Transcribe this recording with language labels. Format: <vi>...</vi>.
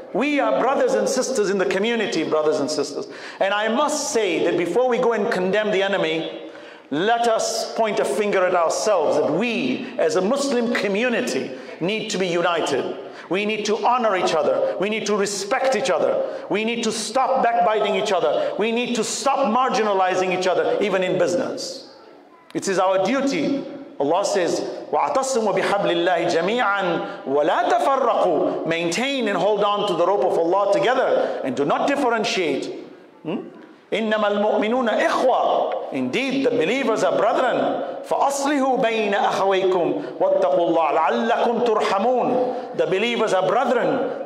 <en>We are brothers and sisters in the community, brothers and sisters. And I must say that before we go and condemn the enemy, let us point a finger at ourselves, that we as a Muslim community need to be united. We need to honor each other. We need to respect each other. We need to stop backbiting each other. We need to stop marginalizing each other, even in business. It is our duty. Allah says,</en> <ar>وَعْتَصِمُوا بِحَبْلِ اللَّهِ جَمِيعًا وَلَا تَفَرَّقُوا.</ar> <en>Maintain and hold on to the rope of Allah together and do not differentiate.</en> <ar>إِنَّمَا الْمُؤْمِنُونَ إِخْوَةٌ.</ar> <en>Indeed, the believers are brethren.</en> <ar>فَأَصْلِهُ بَيْنَ أَخَوَيْكُمْ وَاتَّقُوا اللَّهَ لَعَلَّكُمْ تُرْحَمُونَ.</ar> <en>The believers are brethren.</en>